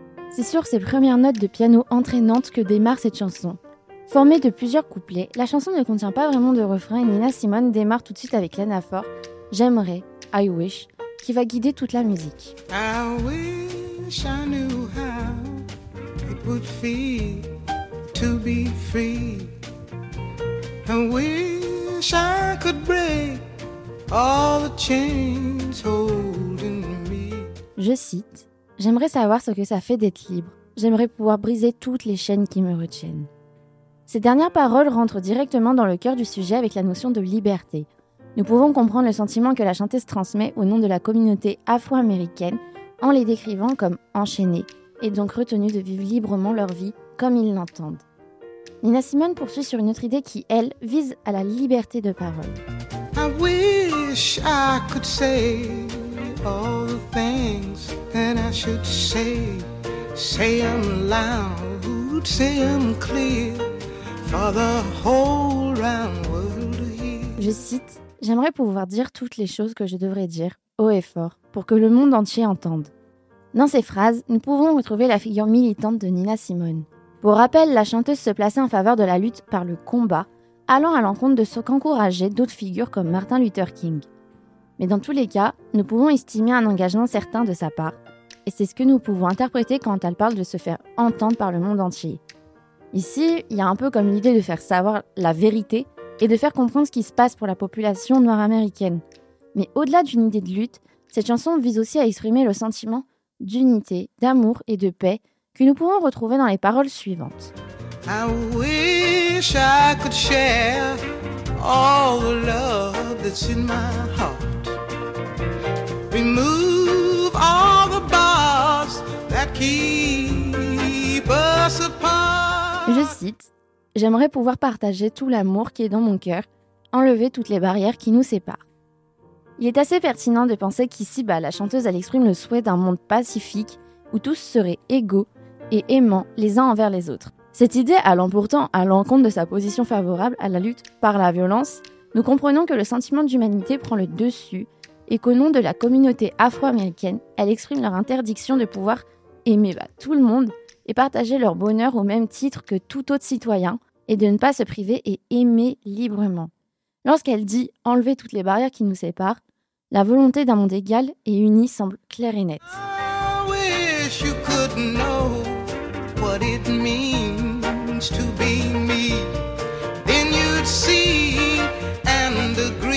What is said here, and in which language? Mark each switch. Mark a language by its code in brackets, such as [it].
[fr] C'est sur ces premières notes de piano entraînantes que démarre cette chanson. Formée de plusieurs couplets, la chanson ne contient pas vraiment de refrain et Nina Simone démarre tout de suite avec l'anaphore « J'aimerais, [en] I wish [fr] » qui va guider toute la musique. [en] I wish I knew how it would feel to be free. I wish I could break all the chains holding me. [fr] Je cite: j'aimerais savoir ce que ça fait d'être libre. J'aimerais pouvoir briser toutes les chaînes qui me retiennent. Ces dernières paroles rentrent directement dans le cœur du sujet avec la notion de liberté. Nous pouvons comprendre le sentiment que la chanteuse transmet au nom de la communauté afro-américaine en les décrivant comme enchaînés et donc retenus de vivre librement leur vie comme ils l'entendent. Nina Simone poursuit sur une autre idée qui, elle, vise à la liberté de parole. [en] I wish I could say all the things. And I should say I'm loud, say I'm clear for the whole round world to hear. [fr] Je cite: j'aimerais pouvoir dire toutes les choses que je devrais dire, haut et fort, pour que le monde entier entende. Dans ces phrases, nous pouvons retrouver la figure militante de Nina Simone. Pour rappel, la chanteuse se plaçait en faveur de la lutte par le combat, allant à l'encontre de ce qu'encourageaient d'autres figures comme Martin Luther King. Mais dans tous les cas, nous pouvons estimer un engagement certain de sa part. Et c'est ce que nous pouvons interpréter quand elle parle de se faire entendre par le monde entier. Ici, il y a un peu comme l'idée de faire savoir la vérité et de faire comprendre ce qui se passe pour la population noire américaine. Mais au-delà d'une idée de lutte, cette chanson vise aussi à exprimer le sentiment d'unité, d'amour et de paix que nous pouvons retrouver dans les paroles suivantes. [en] I wish I could share all the love that's in my heart. Remove all the bars that keep us apart. [fr] Je cite: j'aimerais pouvoir partager tout l'amour qui est dans mon cœur, enlever toutes les barrières qui nous séparent. Il est assez pertinent de penser qu'ici, bah, la chanteuse elle exprime le souhait d'un monde pacifique où tous seraient égaux et aimants les uns envers les autres. Cette idée allant pourtant à l'encontre de sa position favorable à la lutte par la violence, nous comprenons que le sentiment d'humanité prend le dessus et qu'au nom de la communauté afro-américaine, elle exprime leur interdiction de pouvoir aimer tout le monde et partager leur bonheur au même titre que tout autre citoyen, et de ne pas se priver et aimer librement. Lorsqu'elle dit « enlever toutes les barrières qui nous séparent », la volonté d'un monde égal et uni semble claire et nette. [en] I wish you could know what it means to be me. Then you'd see and understand.